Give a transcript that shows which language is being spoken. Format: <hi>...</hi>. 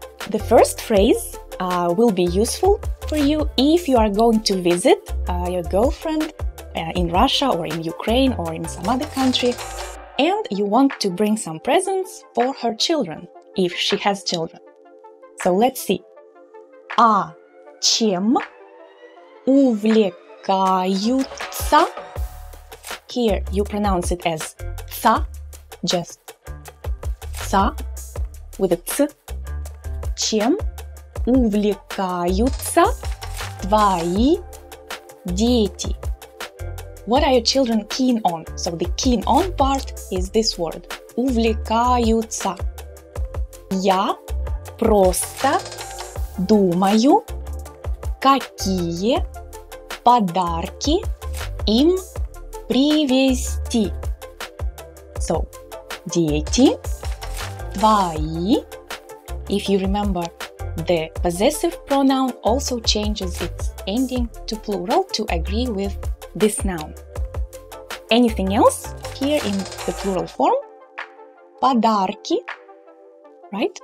<en>The first phrase will be useful for you if you are going to visit your girlfriend in Russia or in Ukraine or in some other country, and you want to bring some presents for her children, if she has children. So let's see.</en> <ru>А чем увлекаются?</ru> <en>Here you pronounce it as ца, just ца with a ц.</en> <ru>Чем увлекаются твои дети?</ru> <en>What are your children keen on? So the keen on part is this word.</en> <ru>Увлекаются. Я просто думаю, какие подарки им привезти. So, дети, твои.</ru> <en>If you remember, the possessive pronoun also changes its ending to plural to agree with this noun. Anything else here in the plural form? Подарки, right?</en>